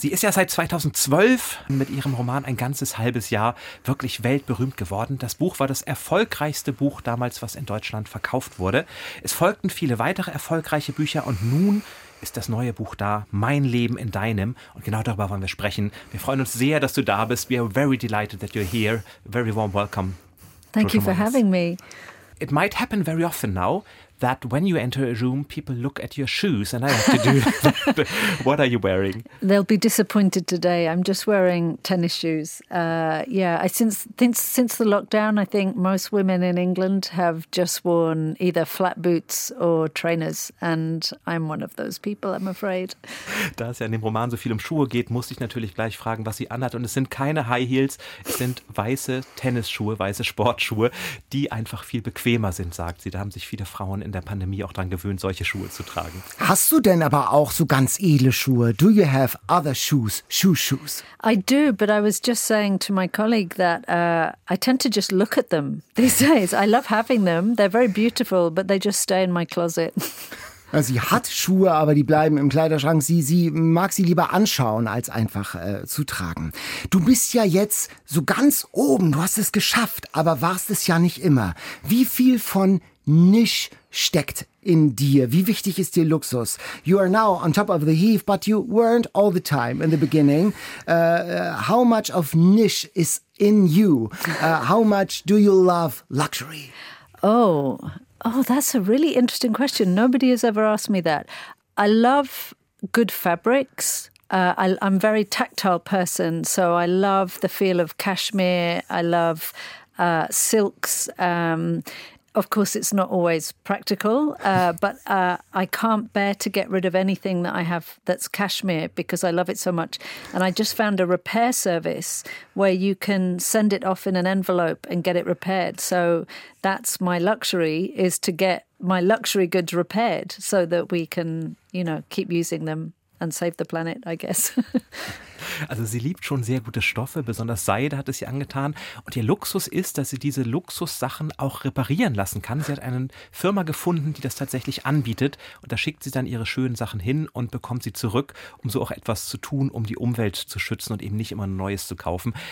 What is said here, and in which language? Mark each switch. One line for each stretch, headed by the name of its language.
German: Sie ist ja seit 2012 mit ihrem Roman Ein ganzes halbes Jahr wirklich weltberühmt geworden. Das Buch war das erfolgreichste Buch damals, was in Deutschland verkauft wurde. Es folgten viele weitere erfolgreiche Bücher und nun ist das neue Buch da, Mein Leben in Deinem. Und genau darüber wollen wir sprechen. Wir freuen uns sehr, dass du da bist.
English: We are very delighted that you're here. Very warm welcome. Thank you for having me. It might happen very often now that when you enter a room, people look at your shoes and I have to do that. What are you wearing? They'll be disappointed today. I'm just wearing tennis shoes. Since the lockdown, I think most women in England have just worn either flat boots or trainers. And I'm one of those people, I'm afraid.
German: Da es ja in dem Roman so viel um Schuhe geht, muss ich natürlich gleich fragen, was sie anhat. Und es sind keine High Heels, es sind weiße Tennisschuhe, weiße Sportschuhe, die einfach viel bequemer sind, sagt sie. Da haben sich viele Frauen in der Pandemie auch dran gewöhnt, solche Schuhe zu tragen. Hast du denn aber auch so ganz edle Schuhe?
English: Do you have other shoes? Shoes? I do, but I was just saying to my colleague that I tend to just look at them these days. I love having them. They're very beautiful, but they just stay in my closet.
German: Also sie hat Schuhe, aber die bleiben im Kleiderschrank. Sie mag sie lieber anschauen, als einfach zu tragen. Du bist ja jetzt so ganz oben. Du hast es geschafft, aber warst es ja nicht immer. Wie viel von Nisch steckt in dir? Wie wichtig ist dir Luxus?
English: You are now on top of the heap, but you weren't all the time in the beginning. How much of Nisch is in you? How much do you love luxury? Oh, that's a really interesting question. Nobody has ever asked me that. I love good fabrics. I'm a very tactile person, so I love the feel of cashmere. I love silks. Of course, it's not always practical, but I can't bear to get rid of anything that I have that's cashmere because I love it so much. And I just found a repair service where you can send it off in an envelope and get it repaired. So that's my luxury, is to get my luxury goods repaired so that we can, you know, keep using them and save the planet, I guess.
German: Also sie liebt schon sehr gute Stoffe, besonders Seide hat es ihr angetan. Und ihr Luxus ist, dass sie diese Luxussachen auch reparieren lassen kann. Sie hat eine Firma gefunden, die das tatsächlich anbietet. Und da schickt sie dann ihre schönen Sachen hin und bekommt sie zurück, um so auch etwas zu tun, um die Umwelt zu schützen und eben nicht immer ein Neues zu kaufen.